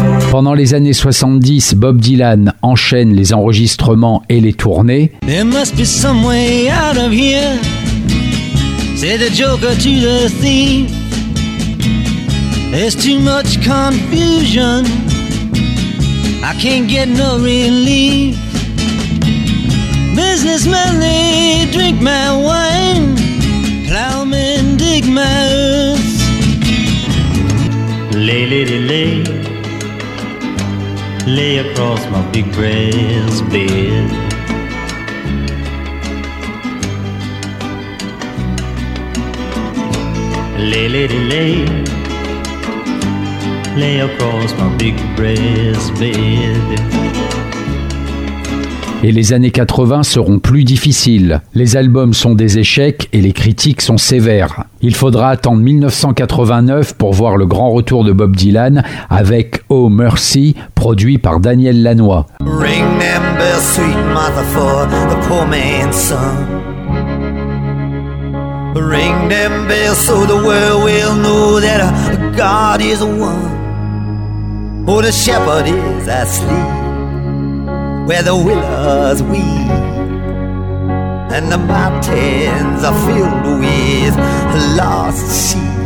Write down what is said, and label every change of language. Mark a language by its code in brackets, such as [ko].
[fr] Pendant les années 70, Bob Dylan enchaîne les enregistrements et les tournées. [en] There must be some way out of here. Say the joker to the thief. There's too much confusion. I can't get no relief. Businessmen, they drink my wine. Plowmen dig my earth. Lay, lady, lay. Lay across my big breast bed. Lay, lady, lay. Lay across my big breast bed. [fr] Et les années 80 seront plus difficiles. Les albums sont des échecs et les critiques sont sévères. Il faudra attendre 1989 pour voir le grand retour de Bob Dylan avec Oh Mercy, produit par Daniel Lanoy. [en] Ring them bells, sweet mother, for the poor man's son. Ring them bells so the world will know that God is one. Oh, the shepherd is asleep where the willows weep, and the mountains are filled with lost sheep.